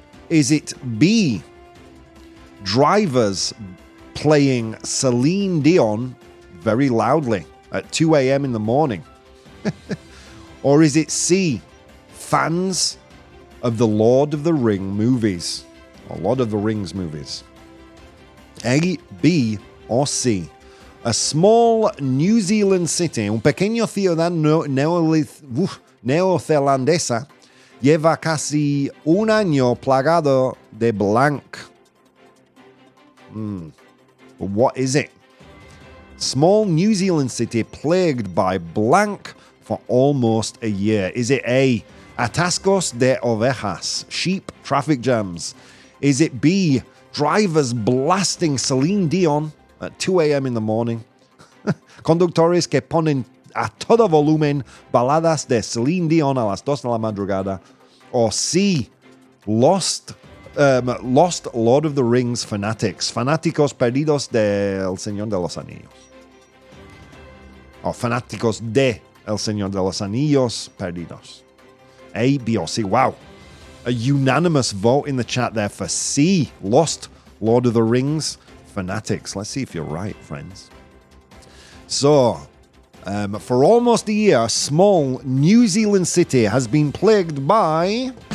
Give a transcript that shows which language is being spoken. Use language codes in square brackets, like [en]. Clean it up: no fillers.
[en] Is it B, drivers playing Celine Dion very loudly at 2 a.m. in the morning? Or is it C, fans of the Lord of the Ring movies? A Lord of the Rings movies. A, B, or C? A small New Zealand city, [es] un pequeño ciudad neozelandesa, lleva casi un año plagado de blank. [en] But what is it? Small New Zealand city plagued by blank for almost a year. Is it A, [es] atascos de ovejas, [en] sheep traffic jams? Is it B, drivers blasting Celine Dion at 2 a.m. in the morning? [es] Conductores que ponen a todo volumen baladas de Celine Dion a las 2 de la madrugada. [en] Or C, lost Lord of the Rings fanatics. [es] Fanáticos perdidos del Señor de los Anillos. Or fanáticos de El Señor de los Anillos perdidos. [en] A, B, or C. Wow. A unanimous vote in the chat there for C, lost Lord of the Rings fanatics. Let's see if you're right, friends. So, for almost a year, a small New Zealand city has been plagued by...